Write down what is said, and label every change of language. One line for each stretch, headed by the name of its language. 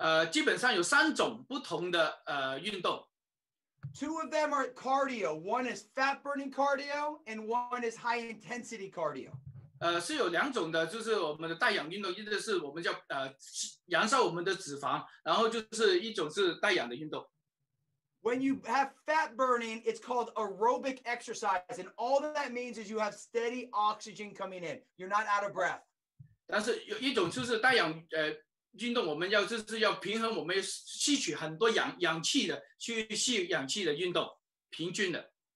Chinese: 基本上有三种不同的运动。
English: Two of them are cardio. One is fat burning cardio, and one is high intensity cardio.
Chinese: 是有两种的，就是我们的带氧运动，一个是我们叫燃烧我们的脂肪，然后就是一种是带氧的运动。
English: When you have fat burning, it's called aerobic exercise. And all that means is you have steady oxygen coming in. You're not out of breath.
Chinese: 但是有一种就是带氧运动，我们要就是要平衡我们吸取很多氧气的，去吸氧气的运动，平均的。